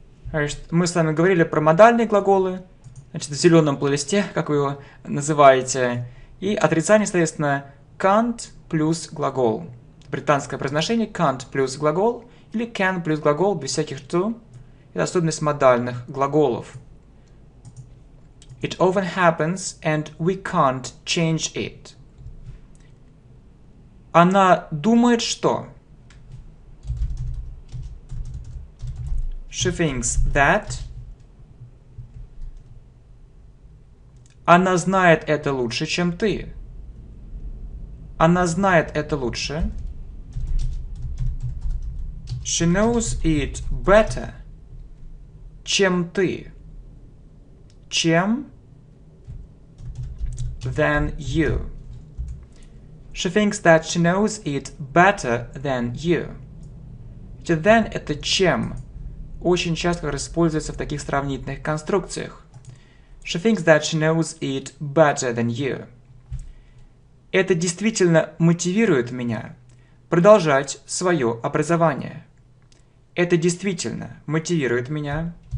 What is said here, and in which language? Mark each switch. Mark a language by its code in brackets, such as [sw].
[ru] Значит, мы с вами говорили про модальные глаголы. Значит, в зеленом плейлисте, как вы его называете. И отрицание, соответственно, can't плюс глагол. Британское произношение can't плюс глагол. Или can плюс глагол без всяких to. Это особенность модальных глаголов. [en] It often happens, and we can't change it. [ru] Она думает, что... [en] She thinks that... [ru] Она знает это лучше, чем ты. Она знает это лучше. [en] She knows it better. [ru] Чем ты? Чем? [en] Than you. She thinks that she knows it better than you. [ru] Than – это чем. Очень часто используется в таких сравнительных конструкциях. [en] She thinks that she knows it better than you. [ru] Это действительно мотивирует меня продолжать свое образование. Это действительно мотивирует меня.